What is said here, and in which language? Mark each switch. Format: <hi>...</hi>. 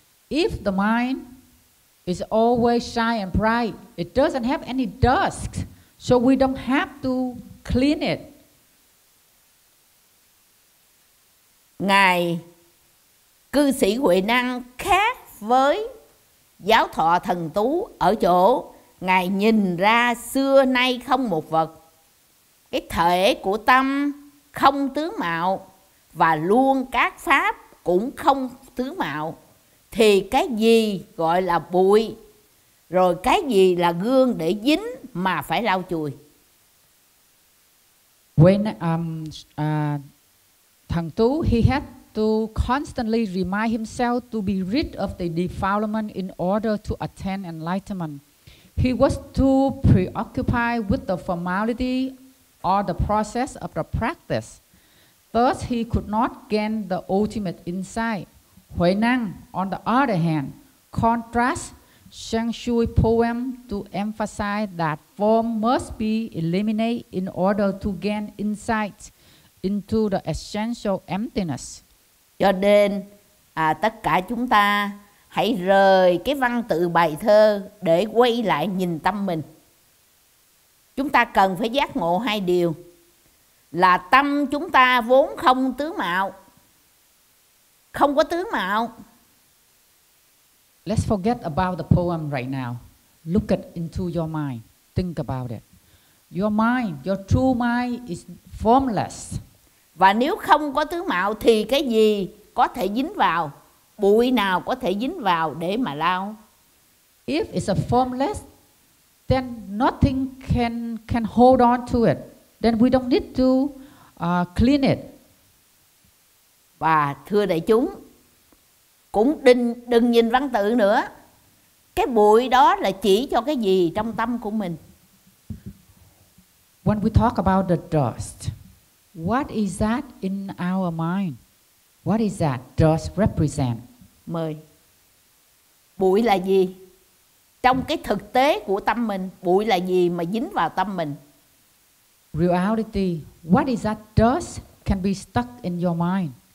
<en>If the mind is always shy and bright, it doesn't have any dust, so we don't have to clean it.</en> <vi>Ngài cư sĩ Huệ Năng khác với giáo thọ thần tú ở chỗ Ngài nhìn ra xưa nay không một vật. Cái thể của tâm không tướng mạo và luôn các pháp cũng không tướng mạo. Thì cái gì gọi là bụi, rồi cái gì là gương để dính mà phải lau chùi?</vi> <en>When Thằng Tú, he had to constantly remind himself to be rid of the defilement in order to attain enlightenment. He was too preoccupied with the formality or the process of the practice. Thus, he could not gain the ultimate insight. Huệ Năng, on the other hand, contrasts Sheng Shui's poem to emphasize that form must be eliminated in order to gain insight into the essential emptiness.</en> <vi>Cho nên, tất cả chúng ta hãy rời cái văn tự bài thơ để quay lại nhìn tâm mình. Chúng ta cần phải giác ngộ hai điều. Là tâm chúng ta vốn không tướng mạo. Không có tướng mạo.</vi> <en>Let's forget about the poem right now. Look at into your mind. Think about it. Your mind, your true mind is formless.</en> <vi>Và nếu không có tướng mạo thì cái gì có thể dính vào? Bụi nào có thể dính vào để mà lao?</vi> <en>If it's a formless, then nothing can hold on to it. Then we don't need to clean it.</en> <vi>Và thưa đại chúng, cũng đừng nhìn văn tự nữa. Cái bụi đó là chỉ cho cái gì trong tâm của mình?</vi> <en>When we talk about the dust, what is that in our mind? What is that dust represent?</en> <vi>Mời. Bụi là gì? Trong cái thực tế của tâm mình, bụi là gì mà dính vào tâm mình?</vi> <en>Reality, what is that dust can be stuck in your mind?</en>